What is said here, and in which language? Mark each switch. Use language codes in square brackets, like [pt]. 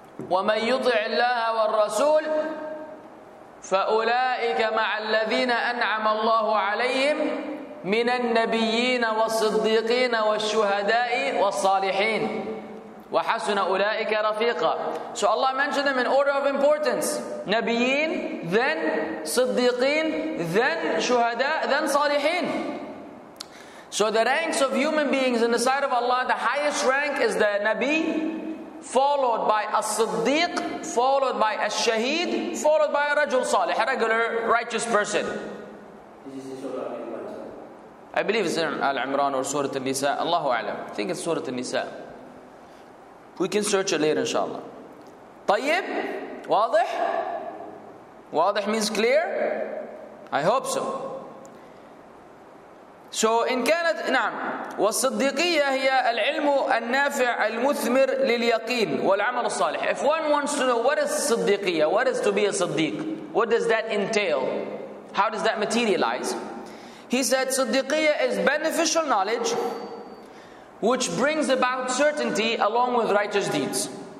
[ar] وَمَنْ يُطِعِ اللَّهَ وَالرَّسُولِ فَأُولَٰئِكَ مَعَ الَّذِينَ أَنْعَمَ اللَّهُ عَلَيْهِمْ مِنَ النَّبِيِّينَ وَالصِّدِّيقِينَ وَالشُّهَدَاءِ وَالصَّالِحِينَ وَحَسُنَ أُولَٰئِكَ رَفِيقًا. [en] So Allah mentioned them in order of importance. [ar] نَبِيِّينَ, then صِدِّيقِينَ, then شُهَدَاءَ, then صَالِحِينَ. [en] So the ranks of human beings in the sight of Allah, the highest rank is the Nabi, followed by a Siddiq, followed by a Shaheed, followed by a Rajul Salih, a regular righteous person. I believe it's in Al-Imran or Surah Al-Nisa. Allahu A'lam. I think it's Surah Al-Nisa. We can search it later, inshallah. [ar] Tayyib? Wadih? [en] Wadih means clear? I hope so. So, in [ar] كانت, نعم. والصديقية هي العلم النافع المثمر لليقين والعمل الصالح. [en] If one wants to know what is صديقية, what is to be a صديق, what does that entail? How does that materialize? He said, Siddiqiyya is beneficial knowledge which brings about certainty along with righteous deeds.